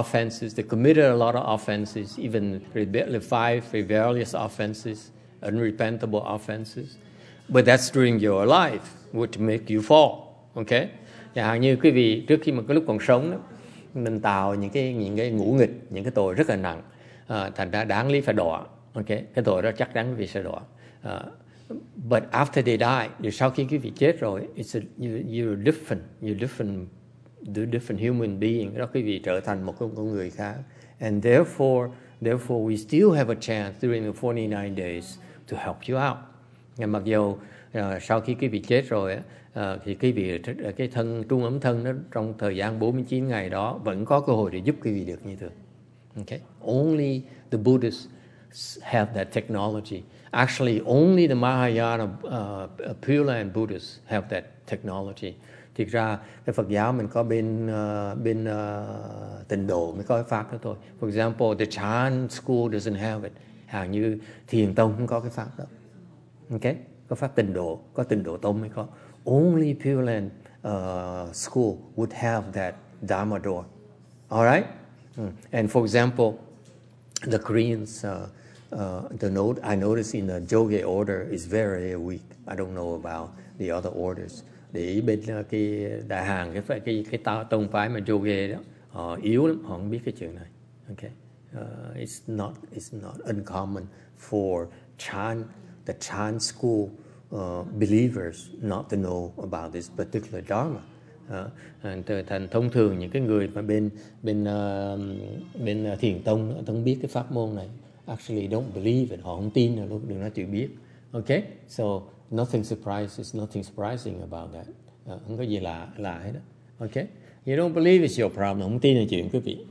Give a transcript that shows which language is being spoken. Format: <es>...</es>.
<en>They committed a lot of offenses, even the five rebellious offenses, unrepentable offenses, but that's during your life. Which make you fall, okay?</en> <vi>Chẳng hạn như quý vị trước khi mà cái lúc còn sống đó, mình tạo những cái ngũ nghịch, những cái tội rất là nặng, thành ra đáng lý phải đọa, okay? Cái tội đó chắc đáng quý vị sẽ đọa.</vi> <en>But after they die,</en> <vi>sau khi quý vị chết rồi,</vi> <en>you're different human being.</en> <vi>Đó quý vị trở thành một con người khác.</vi> <en>And therefore we still have a chance during the 49 days to help you out.</en> <vi>Mặc dù sau khi quý vị chết rồi á, thì quý vị cái thân trung ấm thân nó trong thời gian 49 ngày đó vẫn có cơ hội để giúp quý vị được như thường.</vi> <en>Okay, only the Buddhists have that technology. Actually, only the Mahayana Pure Land Buddhists have that technology.</en> <vi>Thực ra cái Phật giáo mình có bên bên Tịnh độ mới có cái pháp đó thôi.</vi> <en>For example, the Chan school doesn't have it.</en> <vi>Hàng như Thiền tông không có cái pháp đó. Okay, có pháp Tịnh độ, có Tịnh độ tông mới có.</vi> <en>Only Pure Land school would have that Dharma door. All right? And for example, the Koreans, I noticed in the Joge order is very weak. I don't know about the other orders.</en> <vi>Để ý bên cái đại hàng cái tông phái mà Joge đó, họ yếu lắm, họ không biết cái chuyện này.</vi> <en>Okay, it's not uncommon for the Chan school believers not to know about this particular dharma.</en> <vi>Thành thông thường những cái người mà bên thiền tông nó không biết cái pháp môn này,</vi> <en>actually don't believe it,</en> <vi>họ không tin nào luôn, đừng nói chịu biết.</vi> <en>Okay, so nothing surprising about that.</en> <vi>Không có gì lạ hết đó.</vi> <en>Okay, you don't believe it's your problem,</en> <vi>không tin là chuyện quý vị.</vi>